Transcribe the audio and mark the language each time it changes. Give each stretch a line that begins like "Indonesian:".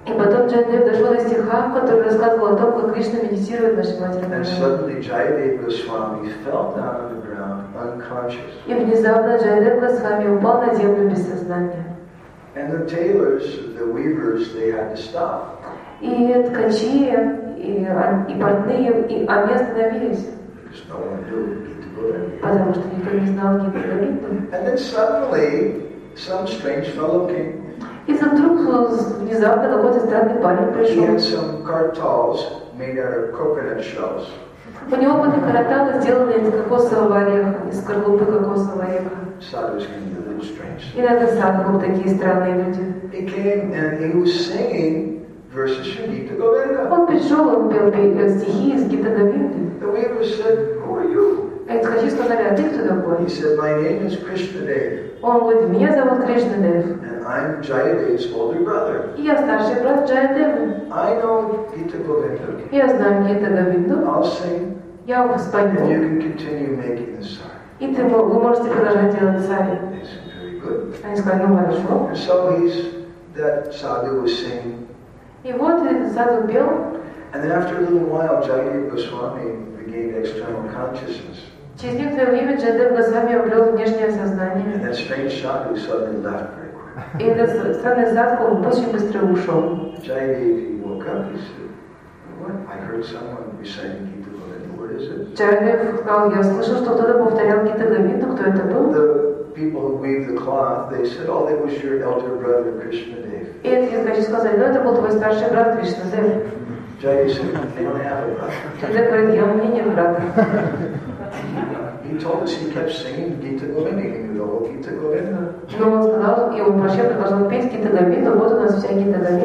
Russian: И потом Джайдев дошел до стиха, который рассказывал о том, как Кришна медитирует на Шримати Радхарани.
English: And suddenly Jayadev Goswami fell down on the ground unconscious.
Russian: И внезапно Джайдев Госвами упал на землю без сознания.
English: And the tailors, the weavers, they had to stop.
Russian: И ткачи, и портные, и они остановились.
English: Because no one knew Gita Govinda.
Russian: Потому что никто не знал Гита Говинду.
English: And then suddenly, some strange fellow came.
Russian: И вдруг внезапно какой-то странный парень пришел.
English: He had some cartels made out of coconut shells.
Russian: У него были карталы, сделанные из кокосового ореха, из скорлупы кокосового ореха.
English: Sadhus can be a little strange.
Russian: И на этот сад был такие странные люди.
English: He came and he was singing verses from Gita Govinda.
Russian: Он пришел, он пел стихи из Гита Говинды.
English: The weaver said, "Who are you?"
Russian: И ткачи сказали, а ты кто такой?
English: He said, "My name is Krishnadev."
Russian: Он говорит, меня зовут Кришнадев.
English: And I'm Jayadev's older brother.
Russian: И я старший брат Джайадева.
English: I know Gita Govinda.
Russian: Я знаю Гита Говинду.
English: I'll sing.
Russian: Я спою.
English: And you can continue making the song.
Russian: И ты, вы можете продолжать делать сари. Они сказали, ну хорошо.
English: So he's, that sadhu was singing.
Russian: И вот этот саду пел.
English: And then after a little while, Jayadev Goswami regained external consciousness.
Russian: Через некоторое время Джайдев Госвами обрел внешнее сознание.
English: And that strange sadhu suddenly left very quickly.
Russian: И этот странный садху очень быстро ушел.
English: Jayadev woke up, he said, what? I heard someone reciting Gita.
Russian: Джайдев сказал, я слышал, что кто-то повторял Гита Говинду, кто это был?
English: The people who weave the cloth, they said, oh, that was your elder brother Krishnadev.
Russian: И эти ткачи сказали, ну это был твой старший брат Кришнадев.
English: Джайдев said, they don't have a brother.
Russian: Джайдев говорит, я у меня нет брата.
English: He told us he kept singing Gita Govinda, he knew the whole Gita Govinda.
Russian: Но он сказал, и он вообще продолжал петь Гита Говинду, вот у нас вся Гита Говинда.